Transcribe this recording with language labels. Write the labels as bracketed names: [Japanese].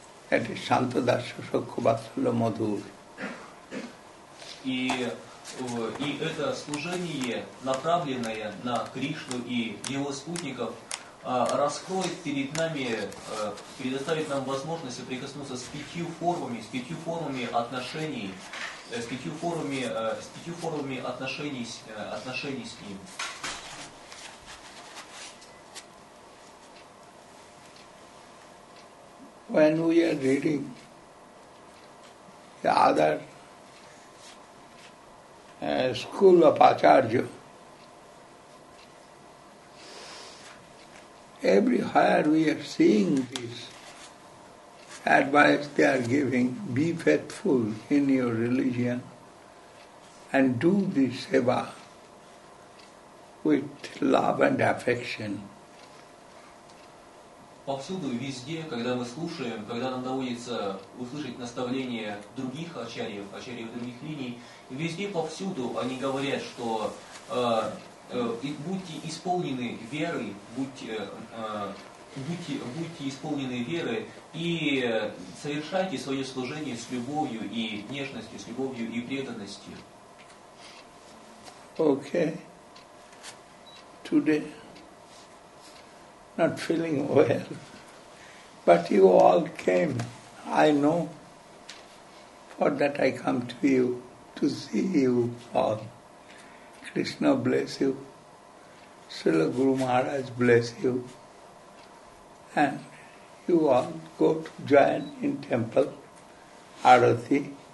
[English] That is Santa Dasa Sukha Vatsala Madhur. [Russian] И это служение, направленное на Кришну и его спутников, раскроет перед нами, предоставит нам возможность соприкоснуться с пятью формами отношений с ним. [English] When we are reading the other school of Acharya, everywhere we are seeing this advice they are giving, be faithful in your religion and do this seva with love and affection. [Russian] Повсюду, везде, когда мы слушаем, когда нам доводится услышать наставления других ачарьев, ачарьев других линий, везде, повсюду они говорят, что будьте исполнены верой, будьте, будьте исполнены веры и совершайте свое служение с любовью и нежностью, с любовью и преданностью. [English] Okay. Today, not feeling well, but you all came, I know, for that I come to you, to see you all. Krishna bless you, Srila Guru Maharaj bless you, and you all go to join in temple, Arati.